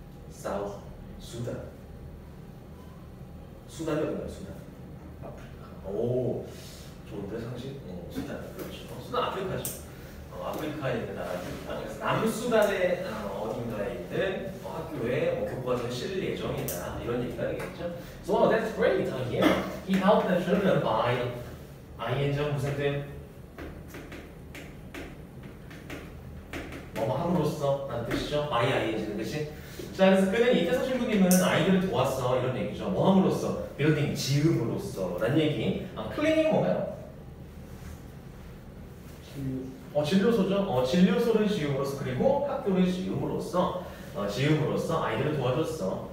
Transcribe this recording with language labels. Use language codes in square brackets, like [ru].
[ko] South Sudan. 수단이 뭐야? 수단. 아프리카. 오 좋은데 상식? 어, 수단 그렇죠. 수단 아프리카죠. 아프리카에 있는 나라들, 남수단의 어딘가에 있는 학교의 교과서 실릴 예정이다 이런 얘기가 되겠죠. [en] So that's great. Yeah. He helped the children by ing [ko] 무슨 뜻? 뭐 함으로써 라는 뜻이죠. by ing는 뜻이. 자 그래서 그는 이태석 신부님은 아이들을 도왔어 이런 얘기죠. 뭐 함으로써? 빌딩 지음으로써 라는 얘기. 아, 클리닉 뭔가요? 어, 진료소죠. 어, 진료소를 지음으로써 그리고 학교를 지음으로써 지음으로써 아이들을 도와줬어.